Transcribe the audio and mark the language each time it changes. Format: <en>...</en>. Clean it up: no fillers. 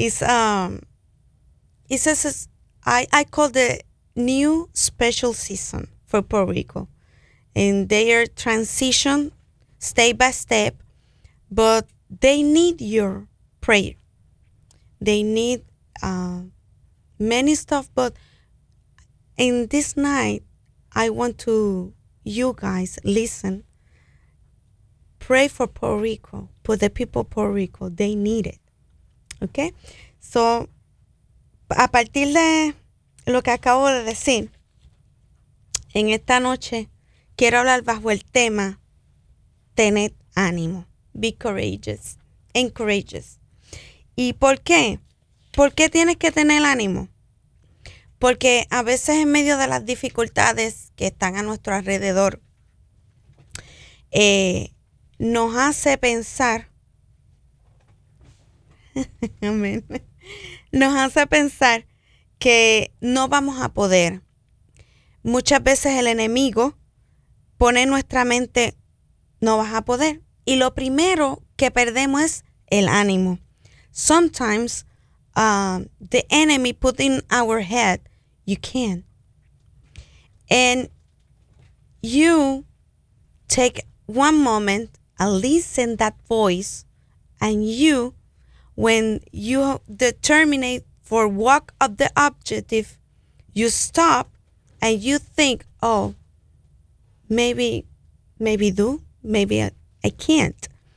<en>I call the new special season for Puerto Rico, and they are transition step by step, but they need your prayer. They need many stuff, but in this night, I want to you guys listen. Pray for Puerto Rico, for the people of Puerto Rico. They need it. Okay?</en> <es>So, a partir de lo que acabo de decir, en esta noche, quiero hablar bajo el tema, tened ánimo.</es> <en>Be courageous. Encourages.</en> <es>¿Y por qué? ¿Por qué tienes que tener ánimo? Porque a veces en medio de las dificultades que están a nuestro alrededor, nos hace pensar, amén, nos hace pensar que no vamos a poder. Muchas veces el enemigo pone en nuestra mente, no vas a poder. Y lo primero que perdemos es el ánimo.</es> <en>Sometimes the enemy put in our head, you can. And you take one moment and listen that voice, and you, when you determine for walk of the objective, you stop and you think, oh, maybe I can't.</en>